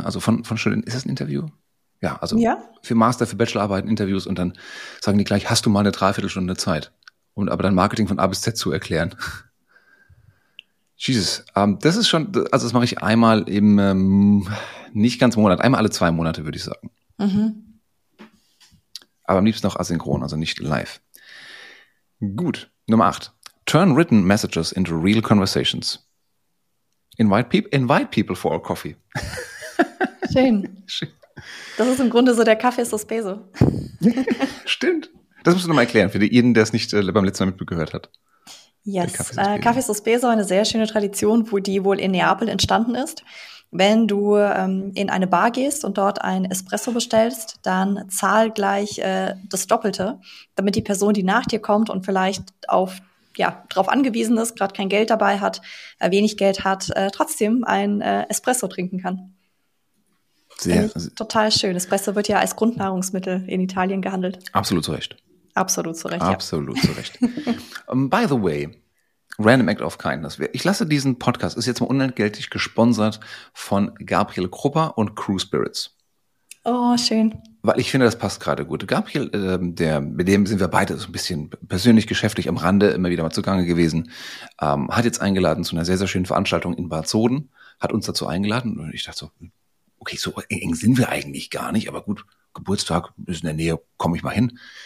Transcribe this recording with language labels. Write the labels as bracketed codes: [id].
[de] Also von Studenten, ist das ein Interview? Ja, also ja. Für Master, für Bachelorarbeiten, Interviews und dann sagen die gleich, hast du mal eine Dreiviertelstunde Zeit, um aber dann Marketing von A bis Z zu erklären. Jesus, das ist schon, also das mache ich einmal im, nicht ganz Monat, einmal alle zwei Monate, würde ich sagen. Mhm. Aber am liebsten noch asynchron, also nicht live. Gut, Nummer 8. [en] Turn written messages into real conversations. Invite people for a coffee. [de] Schön. Das ist im Grunde so, der Kaffee ist das Peso. Stimmt. Das musst du nochmal erklären für jeden, der es nicht beim letzten Mal mitgehört hat. Yes, Kaffee ist das Peso, eine sehr schöne Tradition, die wohl in Neapel entstanden ist. Wenn du in eine Bar gehst und dort ein Espresso bestellst, dann zahl gleich das Doppelte, damit die Person, die nach dir kommt und vielleicht darauf angewiesen ist, gerade kein Geld dabei hat, wenig Geld hat, trotzdem ein Espresso trinken kann. Sehr. Total schön. Espresso wird ja als Grundnahrungsmittel in Italien gehandelt. Absolut zu Recht. Absolut zu Recht, absolut zu Recht. [en] By the way, Random Act of Kindness. [de] Ich lasse diesen Podcast, ist jetzt mal unentgeltlich gesponsert von Gabriel Krupper und Crew Spirits. Oh, schön. Weil ich finde, das passt gerade gut. Gabriel, mit dem sind wir beide so ein bisschen persönlich geschäftlich am Rande immer wieder mal zugange gewesen, hat jetzt eingeladen zu einer sehr, sehr schönen Veranstaltung in Bad Soden, hat uns dazu eingeladen und ich dachte so, okay, so eng sind wir eigentlich gar nicht, aber gut, Geburtstag ist in der Nähe, komme ich mal hin.